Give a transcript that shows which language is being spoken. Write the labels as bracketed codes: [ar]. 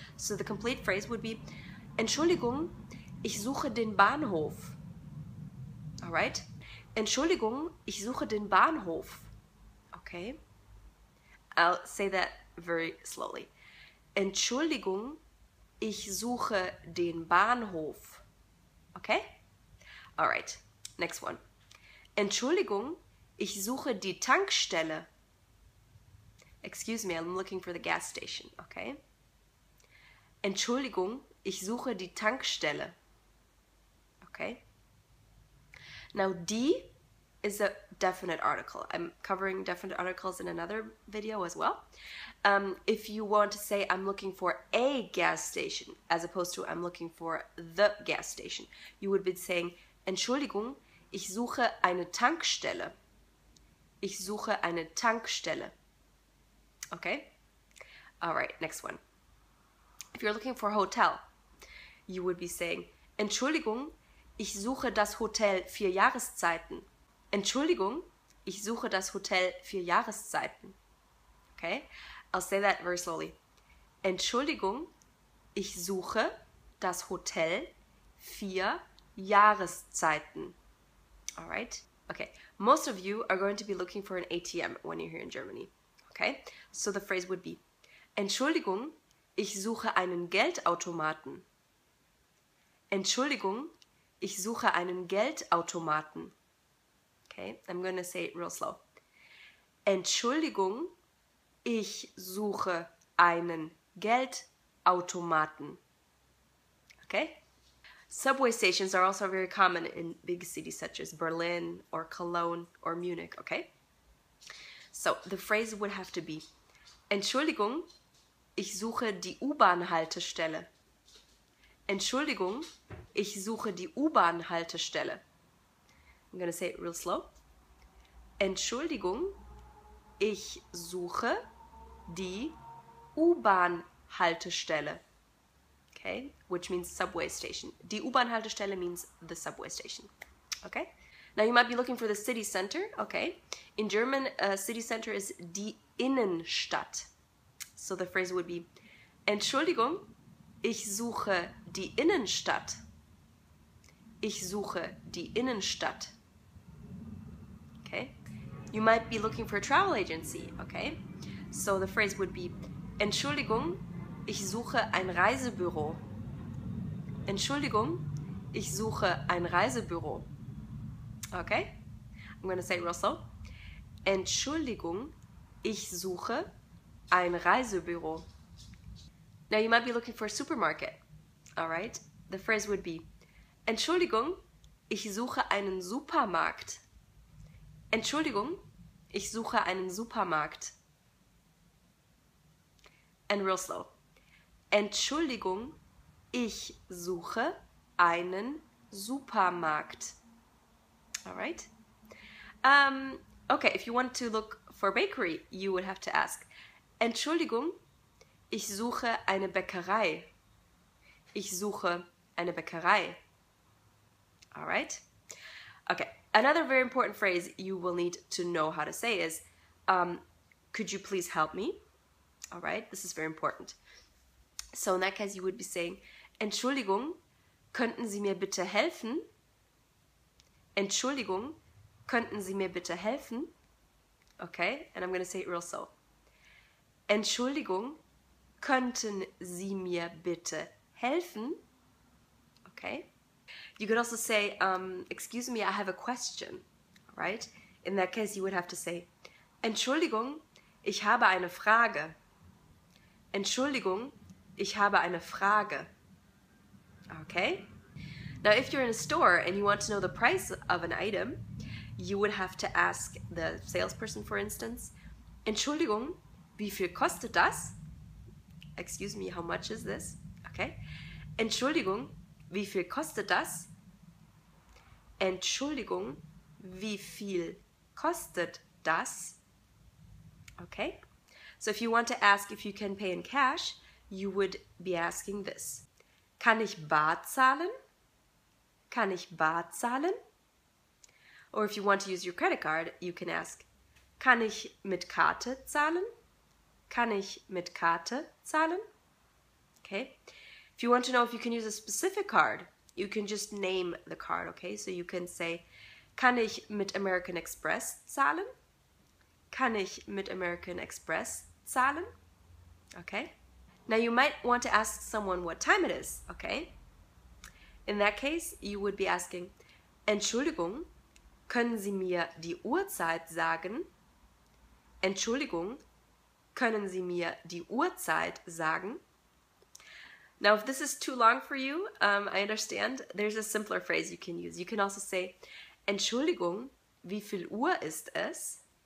[en] So the complete phrase would be, [de] Entschuldigung, ich suche den Bahnhof. [en] All right? [de] Entschuldigung, ich suche den Bahnhof. [en] Okay? I'll say that very slowly. [de] Entschuldigung, ich suche den Bahnhof. [en] Okay? All right. Next one. [de] Entschuldigung, ich suche die Tankstelle. [en] Excuse me, I'm looking for the gas station. Okay? [de] Entschuldigung, ich suche die Tankstelle. [en] Okay? Now, die is a definite article. I'm covering definite articles in another video as well. If you want to say, I'm looking for a gas station, as opposed to I'm looking for the gas station, you would be saying, [de] Entschuldigung, ich suche eine Tankstelle. Ich suche eine Tankstelle. [en] Okay? All right, next one. If you're looking for a hotel, you would be saying, [de] Entschuldigung, ich suche das Hotel vier Jahreszeiten. Entschuldigung, ich suche das Hotel vier Jahreszeiten. [en] Okay, I'll say that very slowly. [de] Entschuldigung, ich suche das Hotel vier Jahreszeiten. [en] All right, okay. Most of you are going to be looking for an ATM when you're here in Germany. Okay, so the phrase would be, [de] Entschuldigung, ich suche einen Geldautomaten. Entschuldigung, ich suche einen Geldautomaten. [en] Okay, I'm going to say it real slow. [de] Entschuldigung, ich suche einen Geldautomaten. [en] Okay? Subway stations are also very common in big cities such as Berlin or Cologne or Munich, okay? So, the phrase would have to be, [de] Entschuldigung, ich suche die U-Bahn-Haltestelle. Entschuldigung, ich suche die U-Bahn-Haltestelle. [en] I'm gonna say it real slow. [de] Entschuldigung, ich suche die U-Bahn-Haltestelle. [en] Okay, which means subway station. Die U-Bahn-Haltestelle means the subway station. Okay, now you might be looking for the city center. Okay, in German, city center is die Innenstadt. So the phrase would be, [de] Entschuldigung, ich suche die Innenstadt. Ich suche die Innenstadt. [en] Okay, you might be looking for a travel agency. Okay, so the phrase would be, [de] Entschuldigung, ich suche ein Reisebüro. Entschuldigung, ich suche ein Reisebüro. [en] Okay, I'm gonna say it real slow. [de] Entschuldigung, ich suche ein Reisebüro. [en] Now you might be looking for a supermarket. All right, the phrase would be, [de] Entschuldigung, ich suche einen Supermarkt. Entschuldigung, ich suche einen Supermarkt. [en] And real slow. [de] Entschuldigung, ich suche einen Supermarkt. [en] All right. Okay, if you want to look for a bakery, you would have to ask, [de] Entschuldigung, ich suche eine Bäckerei. Ich suche eine Bäckerei. [en] All right. Okay, another very important phrase you will need to know how to say is, could you please help me? All right, this is very important. So in that case, you would be saying, [de] Entschuldigung, könnten Sie mir bitte helfen? Entschuldigung, könnten Sie mir bitte helfen? [en] Okay, and I'm going to say it real slow. [de] Entschuldigung, könnten Sie mir bitte helfen? [en] Okay. You could also say, excuse me, I have a question, right? In that case, you would have to say, [de] Entschuldigung, ich habe eine Frage. Entschuldigung, ich habe eine Frage. [en] Okay? Now, if you're in a store and you want to know the price of an item, you would have to ask the salesperson, for instance, [de] Entschuldigung, wie viel kostet das? [en] Excuse me, how much is this? Okay? [de] Entschuldigung, wie viel kostet das? Entschuldigung, wie viel kostet das? [en] Okay? So if you want to ask if you can pay in cash, you would be asking this. [de] Kann ich bar zahlen? Kann ich bar zahlen? [en] Or if you want to use your credit card, you can ask, [de] kann ich mit Karte zahlen? Kann ich mit Karte zahlen? [en] Okay. If you want to know if you can use a specific card, you can just name the card, okay? So you can say, [de] kann ich mit American Express zahlen? Kann ich mit American Express zahlen? [en] Okay. Now you might want to ask someone what time it is, okay? In that case, you would be asking, [de] Entschuldigung, können Sie mir die Uhrzeit sagen? Entschuldigung, können Sie mir die Uhrzeit sagen? [en] Now, if this is too long for you, I understand, there's a simpler phrase you can use. You can also say, [de] Entschuldigung, wie viel Uhr ist es?